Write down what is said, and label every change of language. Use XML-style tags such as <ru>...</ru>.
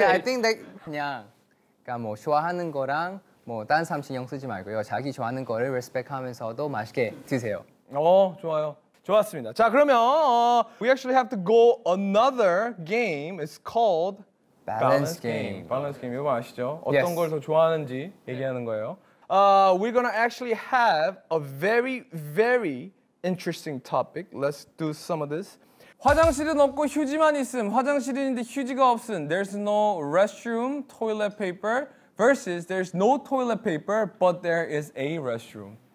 <en>Yeah, I think that</en> <ko>그냥 그러니까 뭐 좋아하는 거랑 뭐 다른 사람 신경 쓰지 말고요. 자기 좋아하는 거를 respect하면서도 맛있게 드세요. 어 좋아요. 좋았습니다. 자 그러면</ko> <en>we actually have to go another game. It's called Balance game.</en> <ko>이거 아시죠? 어떤</ko> <en>yes.</en> <ko>걸 더 좋아하는지 얘기하는 거예요.</ko> <en>We're gonna actually have a very, very interesting topic. Let's do some of this.</en> <ko>화장실은 없고 휴지만 있음. 화장실인데 휴지가 없음.</ko> <en>There's no restroom, toilet paper. Versus there's no toilet paper, but there is a restroom.</en>